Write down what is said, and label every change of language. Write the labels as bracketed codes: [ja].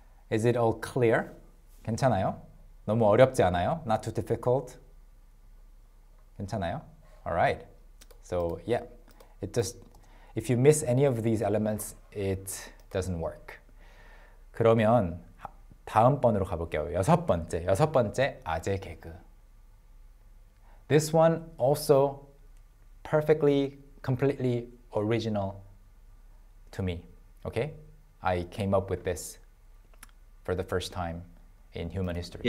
[en] Is it all clear? [ko] 괜찮아요? 너무 어렵지 않아요? [en] Not too difficult? [ko] 괜찮아요? [en] All right. So yeah, it just, if you miss any of these elements, it doesn't work. [ko] 그러면 다음번으로 가볼게요. 여섯 번째 아재 개그. [en] This one also perfectly, completely original to me, okay? I came up with this for the first time in human history.